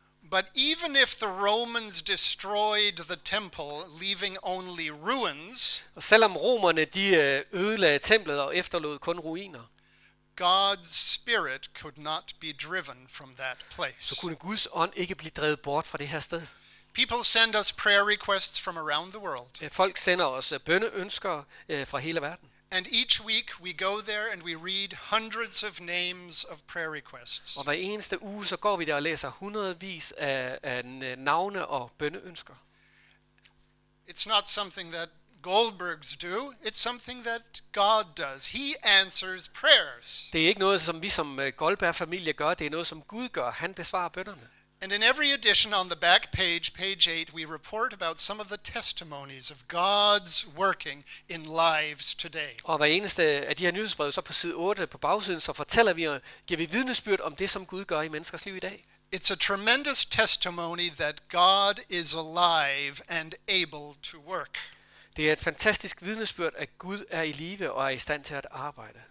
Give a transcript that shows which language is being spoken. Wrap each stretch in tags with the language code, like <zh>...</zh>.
<en>But even if the Romans destroyed the temple, leaving only ruins,</en> <da>selvom romerne de ødelagde templet og efterlod kun ruiner,</da> <en>God's spirit could not be driven from that place.</en> <da>Så kunne Guds ånd ikke blive drevet bort fra det her sted.</da> <en>People send us prayer requests from around the world.</en> <da>Folk sender os bønneønsker fra hele verden.</da> <en>And each week we go there and we read hundreds of names of prayer requests.</en> <da>Og hver eneste uge så går vi der og læser hundredvis af navne og bønneønsker.</da> <en>It's not something that Goldbergs do, it's something that God does. He answers prayers.</en> <da>Det er ikke noget som vi som Goldberg familie gør, det er noget som Gud gør. Han besvarer bønnerne.</da> <en>And in every edition on the back page, page 8, we report about some of the testimonies of God's working in lives today.</en> <da>Og hver eneste af de her nyhedsbrev, så på side 8 på bagsiden, så fortæller vi og giver vi vidnesbyrd om det, som Gud gør i menneskers liv i dag.</da> <en>It's a tremendous testimony that God is alive and able to work.</en> <da>Det er et fantastisk vidnesbyrd, at Gud er i live og er i stand til at arbejde.</da>